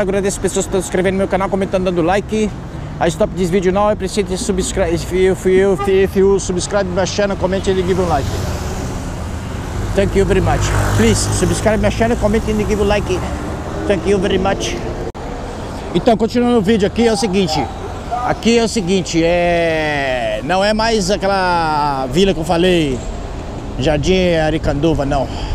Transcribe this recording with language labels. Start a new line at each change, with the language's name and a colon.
Portuguese: Agradeço as pessoas que estão se inscrevendo no meu canal, comentando, dando like.
English: I stop this video now. I appreciate you subscribe. If you subscribe my channel, comment and give a like. Thank you very much. Please subscribe my channel, comment and give a like. Thank you very much.
Portuguese: Então, continuando o vídeo aqui, é o seguinte. Aqui é o seguinte. Não é mais aquela vila que eu falei, Jardim Aricanduva, não.